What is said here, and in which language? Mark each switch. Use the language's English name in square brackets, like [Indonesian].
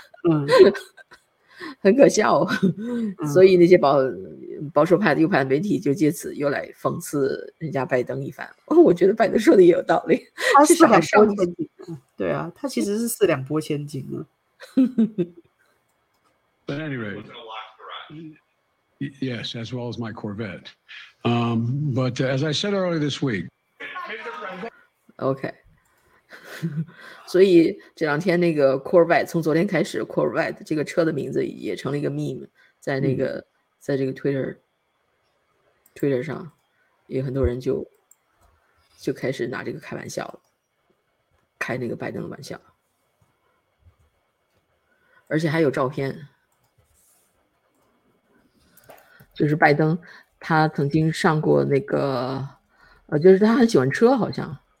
[Chinese] 嗯，很可笑。所以那些保守派的右派的媒体就借此又来讽刺人家拜登一番。哦，我觉得拜登说的也有道理，他是四两拨千斤。对啊，他其实是四两拨千斤啊。 [English] But anyway, yes, as well as my Corvette. But as I said earlier this week, okay. [Chinese] 所以这两天那个 Corvette， 从昨天开始 ，Corvette 这个车的名字也成了一个 meme， 在那个。在这个 Twitter 上也很多人就开始拿这个开玩笑了，开那个拜登的玩笑，而且还有照片，就是拜登他曾经上过那个就是他很喜欢车好像。